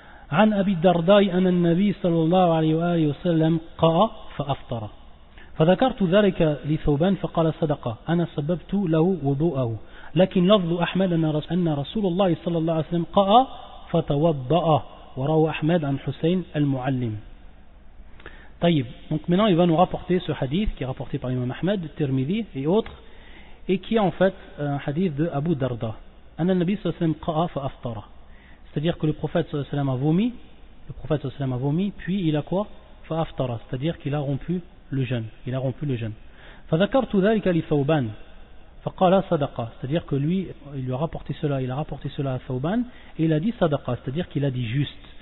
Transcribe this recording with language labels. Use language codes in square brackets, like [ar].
[ar] عن ابي الدرداء ان النبي صلى الله عليه واله وسلم قاء فافطر فذكرت ذلك لثوبان فقال صدق أنا سببت له وضوءه لكن لفظ أحمد أن رسول الله صلى الله عليه وسلم قاء فتوضأ وروى أحمد عن حسين المعلم. طيب. [fr] Donc maintenant il va nous rapporter ce hadith qui est rapporté par l'imam Ahmed, Tirmidhi et autres et qui est en fait un hadith de Abu Darda. [ar] أن النبي صلى الله عليه وسلم قرأ فأفطر. [fr] C'est-à-dire que le prophète [ar] صلى الله عليه وسلم [fr] a vomi, le prophète صلى الله عليه وسلم a vomi, puis il a quoi? [ar] فأفطر. [fr] C'est-à-dire qu'il a rompu le jeûne. Il a rompu le jeûne. [ar] فذكرت ذلك لثوبان. فقال صدقة. [fr] C'est-à-dire que lui, il lui a rapporté cela, il a rapporté cela à ثوبان, et il a dit صدقة. C'est-à-dire qu'il a dit juste.